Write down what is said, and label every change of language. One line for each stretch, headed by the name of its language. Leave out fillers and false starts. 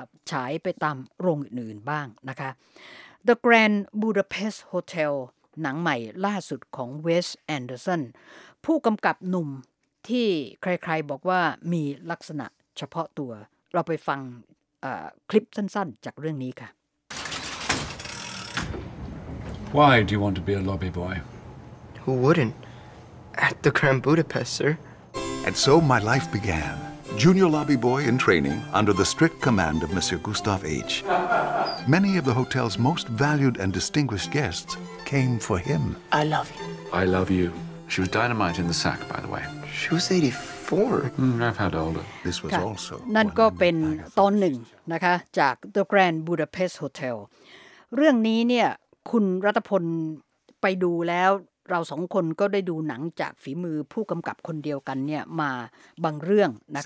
Thai: ฉายไปตามโรงอื่นๆบ้างนะคะ The Grand Budapest Hotel หนังใหม่ล่าสุดของ Wes Anderson ผู้กำกับหนุ่มที่ใครๆบอกว่ามีลักษณะเฉพาะตัวเราไปฟังคลิปสั้นๆจากเรื่องนี้ค่ะ
English: Why do you want to be a lobby boy? Who wouldn't? At the Grand Budapest, sir. And so my life began. Junior lobby boy in training under the strict command of Monsieur Gustave H. Many of the hotel's most valued and distinguished guests came for him. I love you. I love you. She was dynamite in the sack, by the way. She was 84. I've had older. This was also...
Thai: นั่นก็เป็นตอนหนึ่งนะคะจาก The Grand Budapest Hotel. เรื่องนี้เนี่ยคุณรัตพลไปดูแล้วเราสองคนก็ได้ดูหนังจากฝีมือผู้กำกับคนเดียวกันเนี่ยมาบางเรื่องนะคะ